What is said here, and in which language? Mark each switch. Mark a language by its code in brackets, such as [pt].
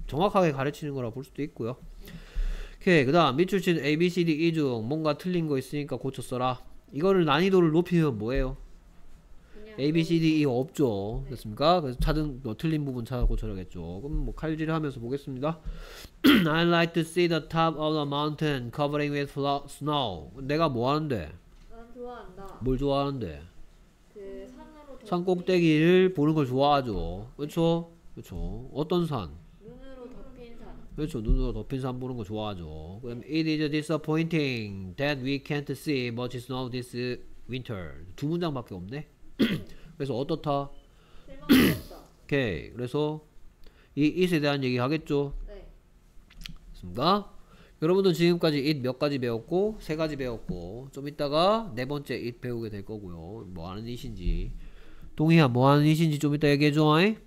[ko] 정확하게 가르치는 거라고 볼 수도 있고요. 오케이. 그 다음 밑줄 친 ABCD 이중 뭔가 틀린 거 있으니까 고쳐 써라. 이거를 난이도를 높이면 뭐예요? ABCD 이거 없죠. 네. 됐습니까? 그래서 찾은 뭐 틀린 부분 찾아 고쳐야겠죠. 그럼 뭐 칼질 하면서 보겠습니다. [en] I like to see the top of the mountain covering with snow. [ko] 내가 뭐 하는데? 좋아한다. 뭘 좋아하는데? 그 산으로 산 꼭대기를 보는 걸 좋아하죠. 그렇죠? 그렇죠. 어떤 산? 눈으로 덮인 산. 그렇죠. 눈으로 덮인 산 보는 거 좋아하죠. 그럼 [en] It is disappointing that we can't see much snow this winter. [ko] 두 문장밖에 없네. 그래서 어떻다? 실망스럽다. 오케이. 그래서 이 it에 대한 얘기 하겠죠. 네. 습니까? 여러분들 지금까지 it 몇 가지 배웠고 세 가지 배웠고 좀 이따가 네 번째 it 배우게 될 거고요. 뭐 하는 it인지 동희야 뭐 하는 it인지 좀 이따 얘기해 줘.